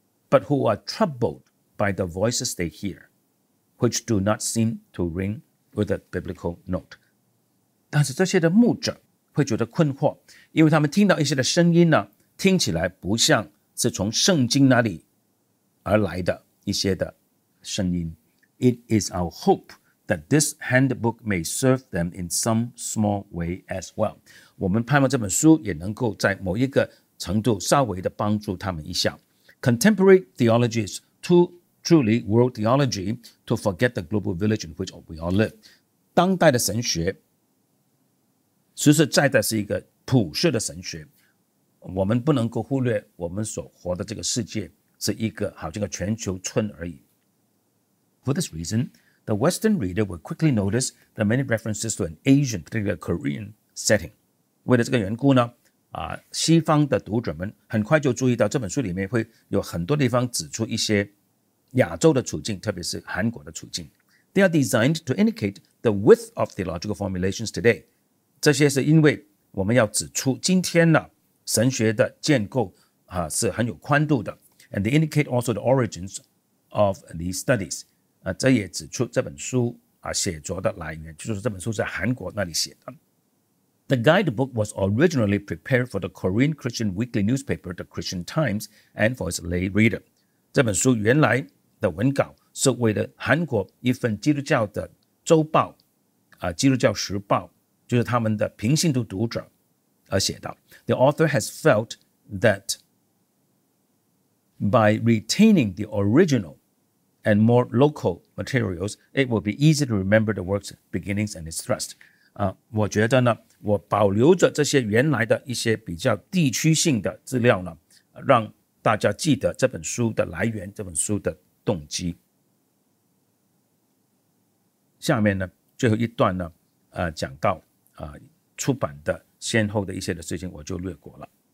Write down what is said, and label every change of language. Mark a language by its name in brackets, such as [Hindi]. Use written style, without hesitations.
[English] But who are troubled by the voices they hear, which do not seem to ring with a biblical note. [Chinese] 但是这些的牧者会觉得困惑，因为他们听到一些的声音呢，听起来不像是从圣经那里而来的一些的声音。 [English] It is our hope that this handbook may serve them in some small way as well. [Chinese] 我们盼望这本书也能够在某一个程度稍微的帮助他们一下。 [English] Contemporary theology is too truly world theology to forget the global village in which we all live. [Chinese] 当代的神学实实在在是一个普世的神学，我们不能够忽略我们所活的这个世界是一个好像个全球村而已。 [English] For this reason, the Western reader will quickly notice the many references to an Asian, particularly a Korean setting. [Chinese] 为了这个缘故呢，西方的读者们很快就注意到这本书里面会有很多地方指出一些亚洲的处境，特别是韩国的处境。 [English] They are designed to indicate the width of theological formulations today. [Chinese] 这些是因为我们要指出今天呢，神学的建构是很有宽度的。 [English] And they indicate also the origins of these studies. [Chinese] 这也指出这本书写作的来源，就是这本书在韩国那里写的。 [English] The guidebook was originally prepared for the Korean Christian weekly newspaper, The Christian Times, and for its lay reader. [Chinese] 这本书原来的文稿是为了韩国一份基督教的周报，基督教时报，就是他们的平信徒读者而写的。 [English] The author has felt that by retaining the original,and more local materials, it will be easy to remember the work's beginnings and its thrust. [Chinese] 我觉得呢，我保留着这些原来的一些比较地区性的资料呢，让大家记得这本书的来源，这本书的动机。下面呢，最后一段呢，讲到出版的先后的一些的事情，我就略过了。